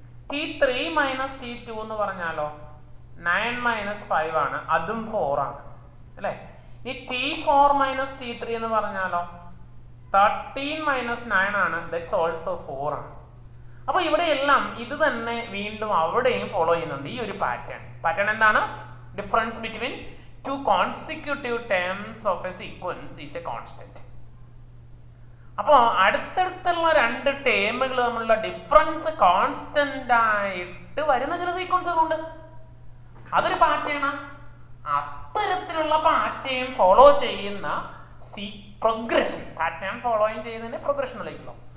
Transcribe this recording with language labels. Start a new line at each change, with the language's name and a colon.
Malayalam: T three minus T two എന്ന് പറഞ്ഞാലോ 9 - 5 ആണ്, അതും 4 ആണ് അല്ലേ. ഇനി T four minus T three എന്ന് പറഞ്ഞാലോ 13 - 9 ആണ്, ദാറ്റ്സ് ഓൾസോ 4 ആണ്. അപ്പൊ ഇവിടെ എല്ലാം ഇത് തന്നെ വീണ്ടും അവിടെയും ഫോളോ ചെയ്യുന്നുണ്ട്. ഈ ഒരു പാറ്റേൺ, പാറ്റേൺ എന്താണ്?
English: Difference between two consecutive terms of a sequence is a constant.
Malayalam: അപ്പോൾ അടുത്തടുത്തുള്ള രണ്ട് ടേമുകൾ തമ്മിലുള്ള ഡിഫറൻസ് കോൺസ്റ്റന്റ് ആയിട്ട് വരുന്ന ചില സീക്വൻസുകൾ ഉണ്ട്, അതൊരു പാറ്റേണാ. അത്തരത്തിലുള്ള പാറ്റേൺ ഫോളോ ചെയ്യുന്ന പ്രോഗ്രഷൻ, പാറ്റേൺ ഫോളോയും ചെയ്യുന്നതിന് പ്രോഗ്രഷൻ വിളിക്കുന്നു.